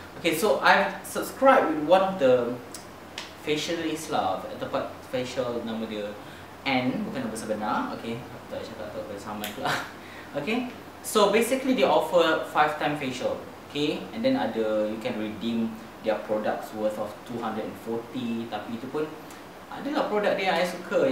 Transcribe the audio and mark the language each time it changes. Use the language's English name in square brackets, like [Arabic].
[English] Okay, so I subscribe with one of the facialist lah. [Malay] Tempat facial nama dia N, bukan nama sebenar. Okay, tak cakap tak bersama tu lah. Okay, [English] so basically they offer 5-time facial. Okay, and then ada you can redeem their products worth of 240. [Malay] Tapi itu pun adalah produk dia yang I suka.